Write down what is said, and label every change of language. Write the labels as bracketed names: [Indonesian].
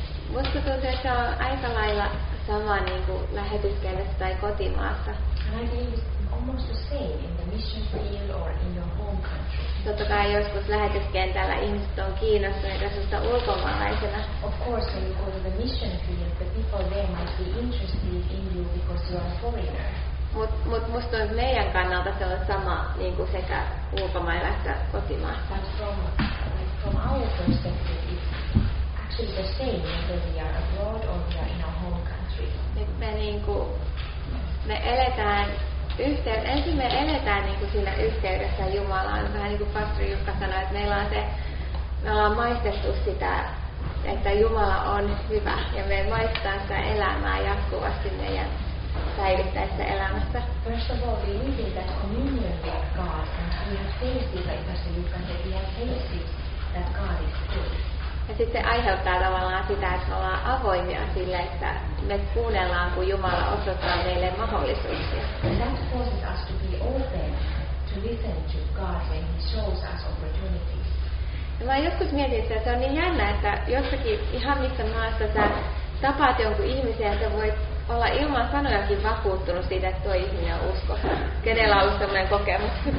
[Finnish] Musta tuntuu, että se on aika lailla sama niin kuin lähetyskentässä tai kotimaassa. [English] Almost the same in the mission field or in your home country. [Finnish] Totta kai joskus lähetyskentällä ihmiset on kiinnostuneita sinusta ulkomaalaisena. [English] Of course, when you go to the mission field, the people there might be interested in you because you are a foreigner. [Finnish] Mut musta on meidän kannalta se on sama niin kuin sekä ulkomailla että kotimaassa. [English] But from our perspective, it's actually the same whether we are abroad or we are in our home country. [Finnish] Me eletään ensin me eletään niin kuin siinä yhteydessä Jumalaan, vähän niin kuin pastori Jukka sanoi, että me ollaan maistettu sitä, että Jumala on hyvä ja me maistetaan sitä elämää jatkuvasti meidän päivittäisessä elämässä. [English] First of all, we live in that communion with God and we have tasted, like pastori Jukka said, we have tasted that God is good. [Finnish] Ja sitten se aiheuttaa tavallaan sitä, että me ollaan avoimia sille, että me kuunnellaan, kun Jumala osoittaa meille mahdollisuuksia. [English] That causes us to be open to listen to God when He shows us opportunities. [Finnish] Ja mä joskus mietin, että se on niin jännä, että jossakin ihan missä maassa sä tapaat jonkun ihmisen, ja sä voit olla ilman sanojakin vakuuttunut siitä, että tuo ihminen on usko. Kenellä on ollut sellainen kokemus?